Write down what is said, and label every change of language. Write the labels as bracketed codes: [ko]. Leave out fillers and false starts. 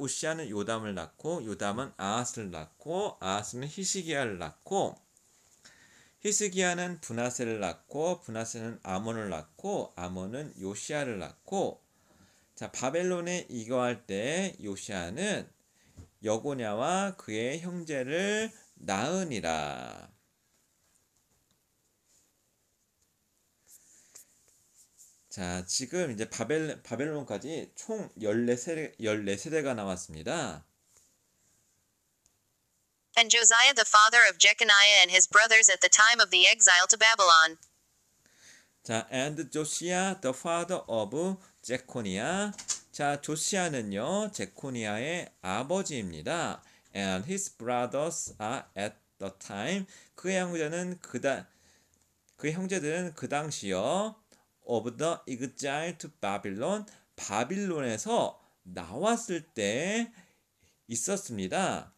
[ko] 우시아는 요담을 낳고 요담은 아하스를 낳고 아하스는 히스기야를 낳고 히스기야는 분하세를 낳고 분하세는 아몬을 낳고 아몬은 요시아를 낳고 자 바벨론에 이거할 때 요시아는 여고냐와 그의 형제를 나은이라. 자, 지금 이제 바벨론까지 총 14세대가 나왔습니다. [en] And Josiah the father of Jeconiah and his brothers at the time of the exile to Babylon. 자, and Josiah the father of Jeconiah. [ko] 자, 조시아는요, 제코니아의 아버지입니다. And his brothers are at the time 그 형제들은 그 당시요 of the exile to Babylon 바빌론에서 나왔을 때 있었습니다.